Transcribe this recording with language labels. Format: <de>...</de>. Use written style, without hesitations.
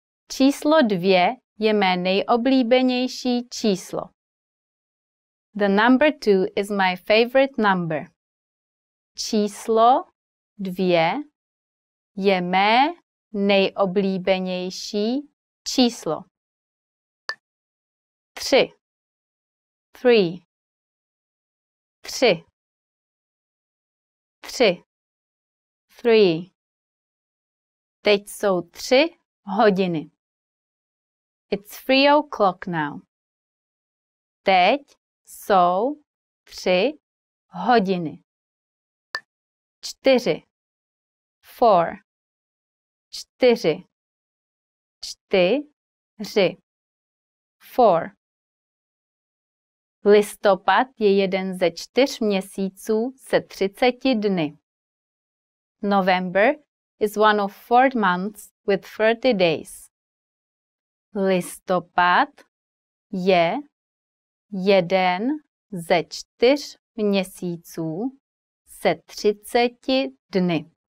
<cs>Číslo dvě je mé nejoblíbenější číslo.</cs> <en>The number two is my favorite number.</en> <cs>Číslo dvě je mé nejoblíbenější číslo. Tři. Three. Tři. Tři. Three. Teď jsou 3 hodiny.</cs> <en>It's 3 o'clock now.</en> <cs>Teď jsou 3 hodiny. Čtyři. Four. Čtyři. Čtyři. Four. Listopad je jeden ze 4 měsíců se 30 dny.</cs> <en>November is one of 4 months with 30 days.</en> <cs>Listopad je jeden ze 4 měsíců se 30 dny.</cs>